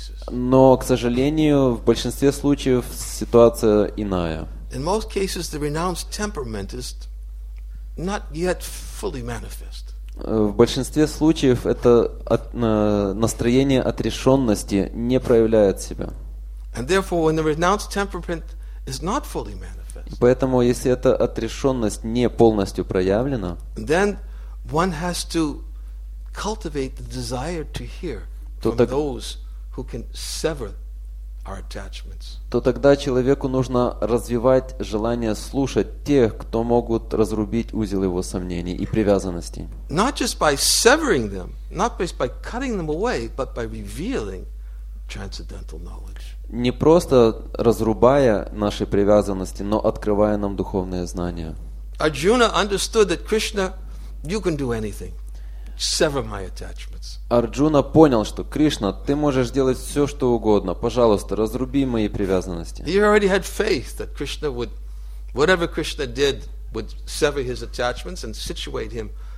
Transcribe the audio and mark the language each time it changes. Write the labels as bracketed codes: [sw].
[ru] Но, к сожалению, в большинстве случаев ситуация иная. [en] In most cases, the renounced temperament is not yet fully manifest. [ru] В большинстве случаев это настроение отрешенности не проявляет себя. [en] And therefore, when the renounced temperament is not fully manifest, [ru] поэтому, если эта отрешенность не полностью проявлена, [en] then one has to cultivate the desire to hear from those who can sever our attachments. [ru] То тогда человеку нужно развивать желание слушать тех, кто могут разрубить узел его сомнений и привязанностей. [en] Not just by severing them, not just by cutting them away, but by revealing transcendental knowledge. [ru] Не просто разрубая наши привязанности, но открывая нам духовные знания. [en] Arjuna understood that Krishna, you can do anything. Sever my attachments. [ru] Арджуна понял, что Кришна, ты можешь делать все, что угодно. Пожалуйста, разруби мои привязанности. [en] He already had faith that Krishna would, whatever Krishna did, would sever his attachments and situate him.